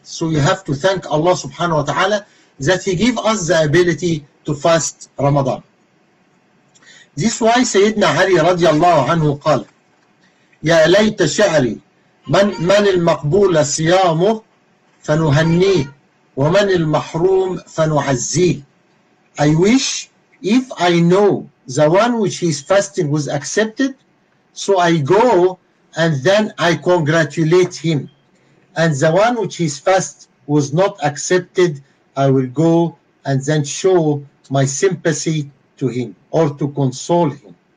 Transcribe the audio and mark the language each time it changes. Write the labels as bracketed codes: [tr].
[en] So you have to thank Allah [ar] سبحانه وتعالى [en] that he gave us the ability to fast Ramadan. This why [ar] سيدنا علي رضي الله عنه قال: يا ليت شعري من المقبول صيامه فنهنيه ومن المحروم فنعزيه. [en] I wish if I know the one which his fasting was accepted, so I go and then I congratulate him. And the one which his fast was not accepted, I will go and then show my sympathy to him or to console him.